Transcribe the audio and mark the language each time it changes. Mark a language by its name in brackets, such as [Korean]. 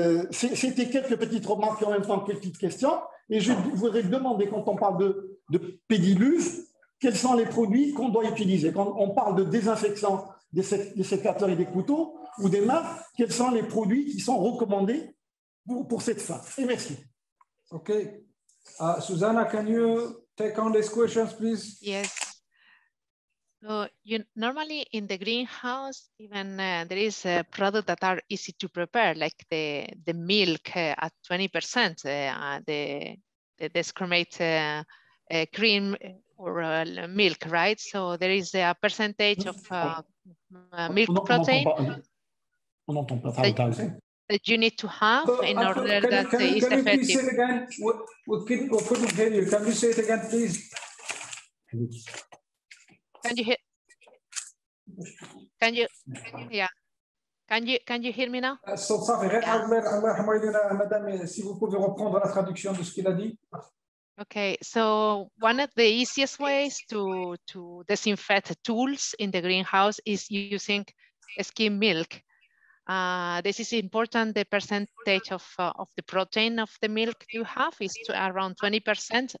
[French] C'était quelques petites remarques et en même temps quelques petites questions. Et je voudrais demander, quand on parle de pédiluve, quels sont les produits qu'on doit utiliser? Quand on parle de désinfectant des sécateurs et des couteaux ou des mains, quels sont les produits qui sont recommandés pour cette fin? Et merci. [English] OK. Susanna, can you take on these questions, please? Yes. So you normally in the greenhouse, even there is a product that are easy to prepare, like the milk at 20%, the skimmed cream or milk, right? So there is a percentage of milk protein. [French] On n'entend pas très bien. [English] That you need to have in order that it's effective. Can you please say it again? We couldn't hear you. Can you say it again, please? Can you hear me now? So sorry. Yeah. [French] Madame, si vous pouvez reprendre la traduction de ce qu'il a dit. [English] Okay, so one of the easiest ways to disinfect tools in the greenhouse is using skim milk. This is important, the percentage of the protein of the milk you have is around 20%.